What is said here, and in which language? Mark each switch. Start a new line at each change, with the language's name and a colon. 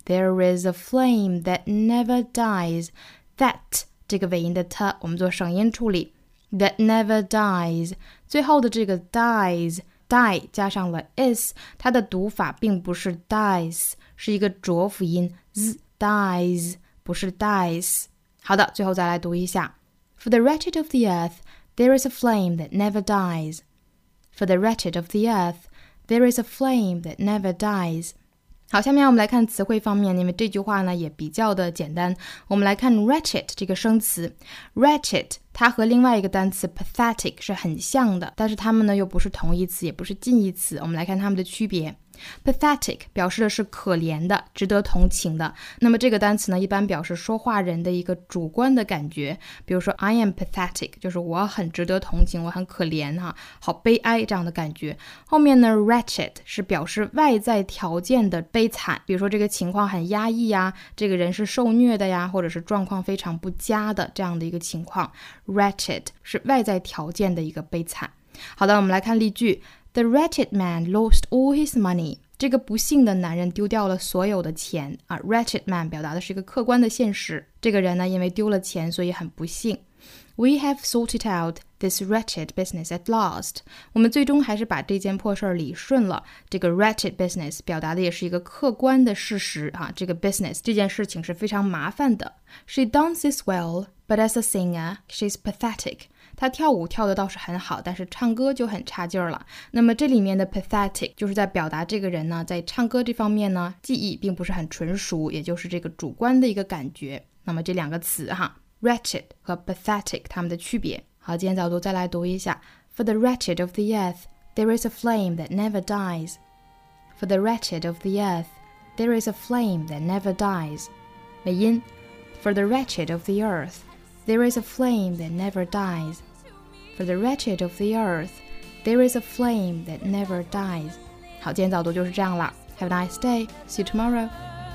English: There is a flame that never dies, that
Chinese: 这个尾音的 t 我们做省音处理 ,
English: that never dies,
Chinese: 最后的这个 dies, die 加上了 is, 它的读法并不是 dies, 是一个浊辅音 z, dies, 不是 dies。好的，最后再来读一下。
English: For the wretched of the earth, there is a flame that never dies. For the wretched of the earth, there is a flame that never dies.
Chinese: 好，下面我们来看词汇方面，因为这句话呢也比较的简单。我们来看 wretched 这个生词。Wretched 它和另外一个单词 pathetic 是很像的，但是它们呢又不是同义词，也不是近义词。我们来看它们的区别。Pathetic 表示的是可怜的，值得同情的。那么这个单词呢，一般表示说话人的一个主观的感觉。比如说
English: I am pathetic，
Chinese: 就是我很值得同情，我很可怜哈，好悲哀这样的感觉。后面呢 wretched 是表示外在条件的悲惨，比如说这个情况很压抑呀，这个人是受虐的呀，或者是状况非常不佳的这样的一个情况。 wretched 是外在条件的一个悲惨。好的，我们来看例句。
English: The wretched man lost all his money.
Chinese: 这个不幸的男人丢掉了所有的钱。啊 ,wretched man 表达的是一个客观的现实。这个人呢因为丢了钱所以很不幸。
English: We have sorted out this wretched business at last.
Chinese: 我们最终还是把这件破事理顺了。这个 wretched business 表达的也是一个客观的事实。啊这个 business, 这件事情是非常麻烦的。
English: She dances well, but as a singer, she's pathetic.
Chinese: 他跳舞跳的倒是很好，但是唱歌就很差劲了。那么这里面的 pathetic 就是在表达这个人呢在唱歌这方面呢技艺并不是很纯熟，也就是这个主观的一个感觉。那么这两个词哈， wretched 和 pathetic 它们的区别。好，今天早读再来读一下。
English: For the wretched of the earth, there is a flame that never dies. For the wretched of the earth, there is a flame that never dies.
Chinese: 美音
English: For the wretched of the earthThere is a flame that never dies. For the wretched of the earth, there is a flame that never dies.
Chinese: 好，今天早读就是这样了。
English: Have a nice day. See you tomorrow.